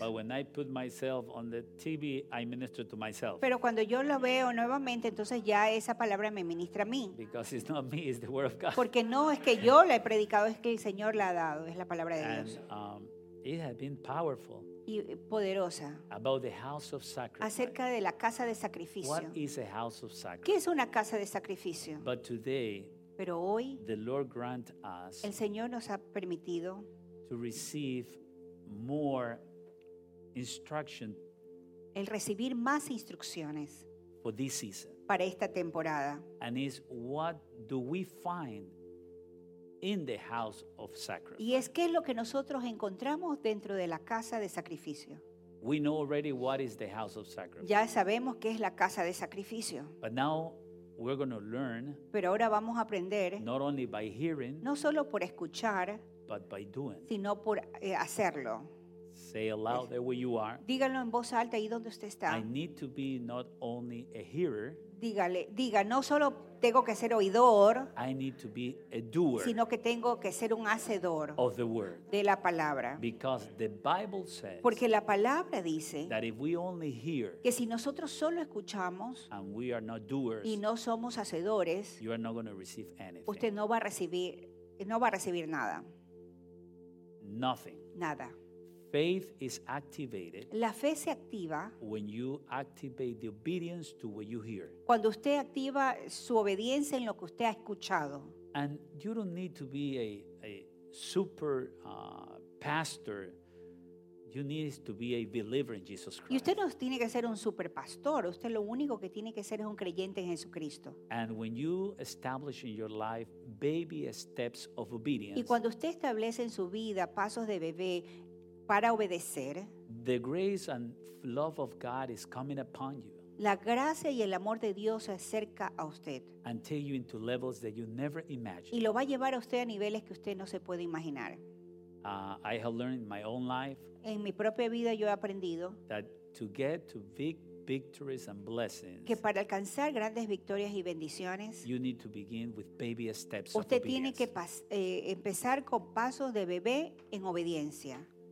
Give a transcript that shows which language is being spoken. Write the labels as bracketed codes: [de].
[en] But when I put myself on the TV, I minister to myself. [es] Pero cuando yo lo veo nuevamente, entonces ya esa palabra me ministra a mí. [en] Because it's not me, it's the word of God. [es] Porque no es que yo la he predicado, es que el Señor la ha dado, es la palabra de [en] And, [es] Dios. [en] It had been powerful. [es] Y poderosa. [en] About the house of sacrifice. [es] Acerca de la casa de sacrificio. [en] What is a house of sacrifice? [es] ¿Qué es una casa de sacrificio? [en] But today, [es] pero hoy, [en] the Lord grant us, [es] el Señor nos ha permitido, [en] to receive more instruction, [es] el recibir más instrucciones, [en] for this season, [es] para esta temporada, [en] and is what do we find in the house of sacrifice? [es] Y es que es lo que nosotros encontramos dentro de la casa de sacrificio. [en] We know already what is the house of sacrifice. [es] Ya sabemos qué es la casa de sacrificio. [en] But now we're going to learn, [es] pero ahora vamos a aprender, [en] not only by hearing, [es] no solo por escuchar, [en] but by doing, [es] sino por hacerlo. [en] Say aloud there where you are. [es] Díganlo en voz alta ahí donde usted está. [en] I need to be not only a hearer. [es] Dígale, diga, no solo tengo que ser oidor, [en] I need to be a doer, [es] sino que tengo que ser un hacedor [en] of the word, [es] de la palabra. [en] Because the Bible says, [es] porque la palabra dice, [en] that if we only hear, [es] que si nosotros solo escuchamos, [en] and we are not doers, [es] y no somos hacedores, [en] you are not going to receive anything. [es] Usted no va a recibir nada. [en] Nothing. [es] Nada. [en] Faith is activated. [es] La fe se activa. [en] When you activate the obedience to what you hear. [es] Cuando usted activa su obediencia en lo que usted ha escuchado. [en] And you don't need to be a super pastor. You need to be a believer in Jesus Christ. [es] Y usted no tiene que ser un super pastor. Usted lo único que tiene que ser es un creyente en Jesucristo. [en] And when you establish in your life baby steps of obedience. [es] Y cuando usted establece en su vida pasos de bebé para obedecer, [en] the grace and love of God is coming upon you. [es] La gracia y el amor de Dios se acerca a usted. [en] And take you into levels that you never imagined. [es] Y lo va a llevar a usted a niveles que usted no se puede imaginar. [en] I have learned in my own life. [es] En mi propia vida yo he aprendido. [en] That to get to big victories and blessings. [es] Que para alcanzar grandes victorias y bendiciones. [en] You need to begin with baby steps. [es] Usted [en] of obedience. [es] Tiene que empezar con pasos de bebé en obediencia.